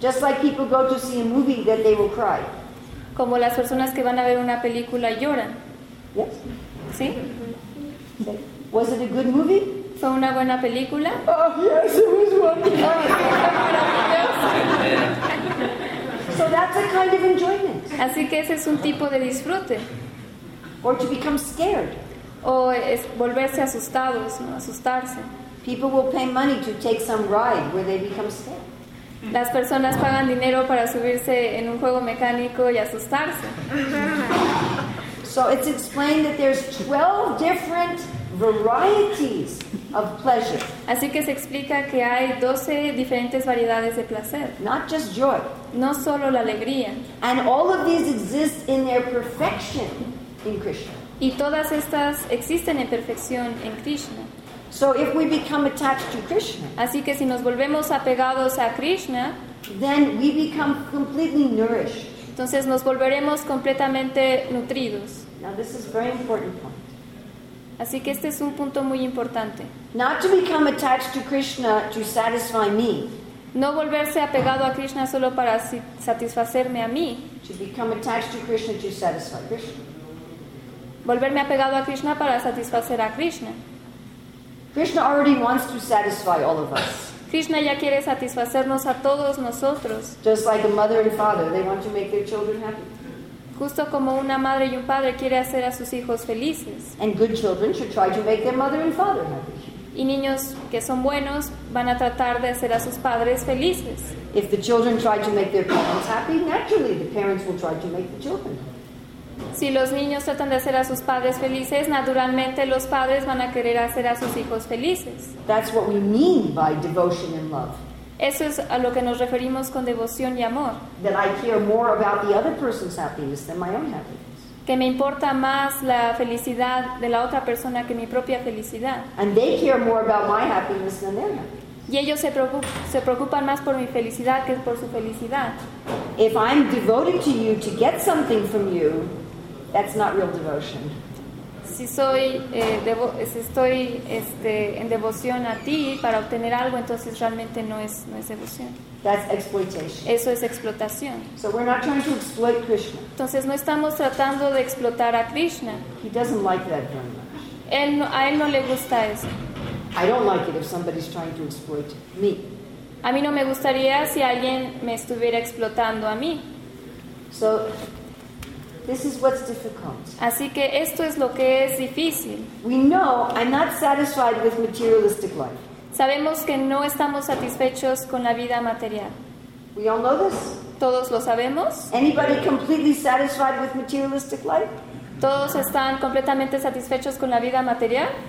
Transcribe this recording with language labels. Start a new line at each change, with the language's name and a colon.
English: Just like people go to see a movie, then they will cry.
Spanish: Como las personas que van a ver una película lloran.
English: Yes.
Spanish: ¿Sí?
English: Was it a good movie?
Spanish: ¿Fue una buena película?
English: Oh, yes, it was wonderful. So that's a kind of enjoyment.
Spanish: Así que ese es un tipo de disfrute.
English: Or to become scared.
Spanish: O es volverse asustados, ¿no? Asustarse.
English: People will pay money to take some ride where they become scared.
Spanish: Las personas pagan dinero para subirse en un juego mecánico y asustarse.
English: So it's explained that there's 12 different varieties of pleasure.
Spanish: Así que se explica que hay 12 diferentes variedades de placer.
English: Not just joy.
Spanish: No solo la alegría.
English: And all of these exist in their perfection in Krishna.
Spanish: Y todas estas existen en perfección en Krishna.
English: So if we become attached to Krishna,
Spanish: así que si nos volvemos apegados a Krishna,
English: then we become completely nourished.
Spanish: Entonces nos volveremos completamente nutridos.
English: Now this is a very important point.
Spanish: Así que este es un punto muy importante.
English: Not to become attached to Krishna to satisfy me.
Spanish: No volverse apegado a Krishna solo para satisfacerme a mí.
English: To become attached to Krishna to satisfy Krishna.
Spanish: Volverme apegado a Krishna para satisfacer a Krishna.
English: Krishna already wants to satisfy all of us.
Spanish: Krishna ya quiere satisfacernos a todos nosotros.
English: Just like a mother and father, they want to make their children happy.
Spanish: Justo como una madre y un padre quiere hacer a sus hijos felices.
English: And good children should try to make their mother and father happy.
Spanish: Y niños que son buenos van a tratar de hacer a sus padres felices.
English: If the children try to make their parents happy, naturally the parents will try to make the children happy.
Spanish: Si los niños tratan de hacer a sus padres felices, naturalmente los padres van a querer hacer a sus hijos felices.
English: That's what we mean by devotion and love.
Spanish: Eso es a lo que nos referimos con devoción y amor.
English: That I care more about the other person's happiness than my own happiness.
Spanish: que me importa más la felicidad de la otra persona que mi propia felicidad.
English: And they care more about my happiness than their happiness.
Spanish: Y ellos se preocupan más por mi felicidad que por su felicidad.
English: If I'm devoted to you to get something from you, that's not real devotion.
Spanish: Si soy en devoción a ti para obtener algo, entonces realmente no es devoción.
English: That's exploitation.
Spanish: Eso es explotación.
English: So we're not trying to exploit Krishna.
Spanish: Entonces no estamos tratando de explotar a Krishna.
English: He doesn't like that very much.
Spanish: A él no le gusta eso.
English: I don't like it if somebody's trying to exploit me.
Spanish: A mí no me gustaría si alguien me estuviera explotando a mí.
English: So this is what's difficult.
Spanish: Así que esto es lo que es difícil.
English: We know I'm not satisfied with materialistic life.
Spanish: Sabemos que no estamos satisfechos con la vida material.
English: We all know this.
Spanish: Todos lo sabemos.
English: Anybody completely satisfied with materialistic life?
Spanish: ¿Todos están completamente satisfechos con la vida material?